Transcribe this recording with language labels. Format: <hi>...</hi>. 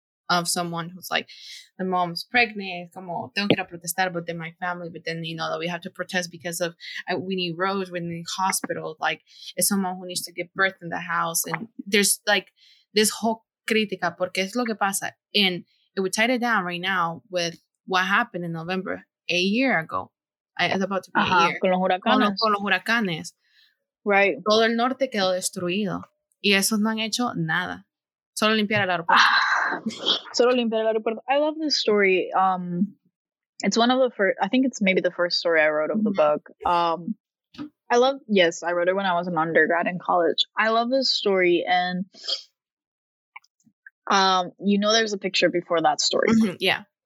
<en>of someone who's like, the mom's pregnant, come on, don't get up with the status, but then my family, but then, you know, that we have to protest because of, we need roads, we need hospitals, like, it's someone who needs to give birth in the house, and there's, like, this whole crítica,</en> <es>porque es lo que pasa,</es> <en>and it would tie it down right now with what happened in November, a year ago, it's about to be a year.</en> <es>Con los huracanes. Con los huracanes.</es> <en>Right.</en> <es>Todo el norte quedó destruido, y esos no han hecho nada, solo limpiar el aeropuerto.</es> <en>I love this story. It's one of the first, I think it's maybe the first story I wrote of the book. I wrote it when I was an undergrad in college. I love this story. And you know, there's a picture before that story. Mm-hmm, yeah.</en>